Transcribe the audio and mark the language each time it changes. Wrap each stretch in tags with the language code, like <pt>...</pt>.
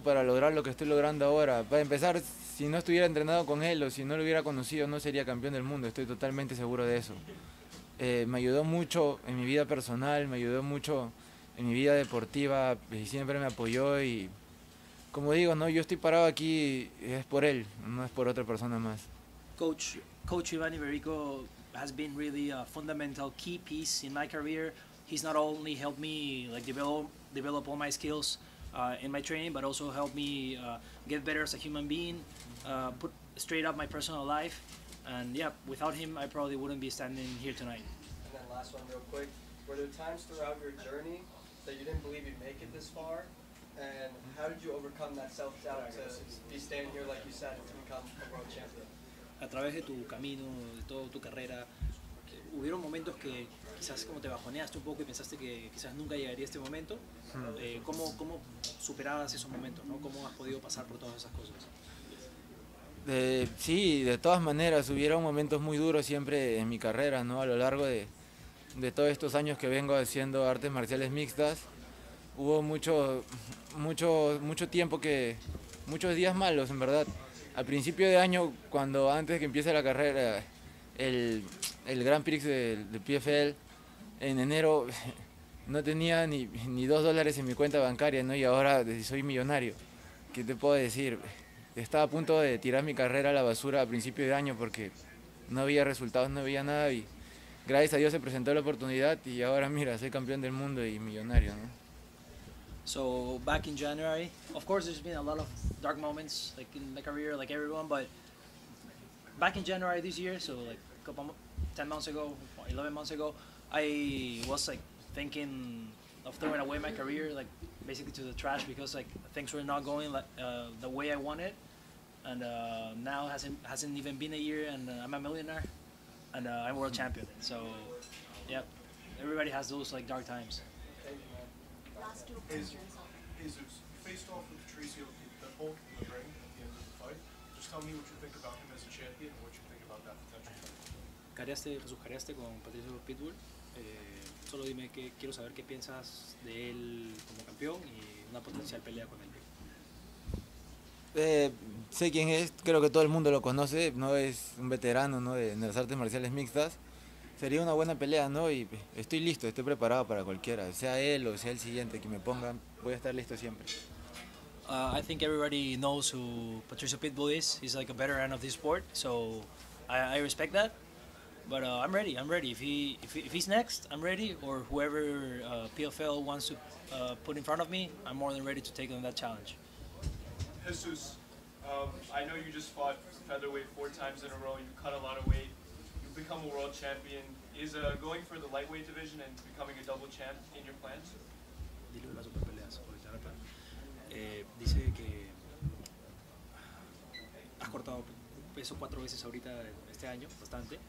<es>Para lograr lo que estoy logrando ahora. Para empezar, si no estuviera entrenado con él o si no lo hubiera conocido, no sería campeón del mundo, estoy totalmente seguro de eso. Me ayudó mucho en mi vida personal, me ayudó mucho en mi vida deportiva, y siempre me apoyó y, como digo, no, yo estoy parado aquí y es por él, no es por otra persona más.</es> <en>Coach Iván Iberico has been really a fundamental key piece in my career. He's not only helped me like develop all my skills in my training, but also helped me get better as a human being, put straight up my personal life. And yeah, without him, I probably wouldn't be standing here tonight. And then last one real quick. Were there times throughout your journey that you didn't believe you'd make it this far? And how did you overcome that self-doubt to be standing here, like you said, to become a world champion?</en> <es>A través de tu camino, de toda tu carrera, hubieron momentos que quizás como te bajoneaste un poco y pensaste que quizás nunca llegaría a este momento. ¿Cómo superabas esos momentos, ¿no? ¿Cómo has podido pasar por todas esas cosas? Sí, de todas maneras, hubieron momentos muy duros siempre en mi carrera, ¿no? A lo largo de todos estos años que vengo haciendo artes marciales mixtas, hubo mucho tiempo que, muchos días malos, en verdad. Al principio de año, cuando antes que empiece la carrera, el Grand Prix de PFL, en enero no tenía ni $2 en mi cuenta bancaria, ¿no? Y ahora soy millonario. ¿Qué te puedo decir? Estaba a punto de tirar mi carrera a la basura a principio de año porque no había resultados, no había nada. Y gracias a Dios se presentó la oportunidad y ahora mira, soy campeón del mundo y millonario, ¿no?</es> <en>So back in January, of course there's been a lot of dark moments like in my career, like everyone, but back in January this year, so like a couple 10 months ago, 11 months ago, I was like thinking of throwing away my career, like basically to the trash, because like things were not going like the way I wanted. And now hasn't even been a year and I'm a millionaire and I'm world champion. So yeah, everybody has those like dark times. Thank you, man. Last two questions. Jesus, you faced off with Patricio, the Hulk in the ring at the end of the fight. Just tell me what you think about him as a champion and what you think about that potential.</en> <es>¿Careaste, Jesús, careaste con Patricio Pitbull? Solo dime que quiero saber qué piensas de él como campeón y una potencial pelea con él. Sé quién es, creo que todo el mundo lo conoce, no es un veterano, ¿no? De las artes marciales mixtas. Sería una buena pelea, ¿no? Y estoy listo, estoy preparado para cualquiera, sea él o sea el siguiente que me pongan, voy a estar listo siempre.</es> <en>I think everybody knows who Patricio Pitbull is. He's like a veteran of this sport, so I respect that. But I'm ready. If he's next, I'm ready. Or whoever PFL wants to put in front of me, I'm more than ready to take on that challenge. Jesus, I know you just fought featherweight 4 times in a row. You've cut a lot of weight. You've become a world champion. Is going for the lightweight division and becoming a double champ in your plans?</en> <es>Dile a las super peleas, Jonathan. Dice que has cortado peso 4 veces ahorita este año, bastante.</es>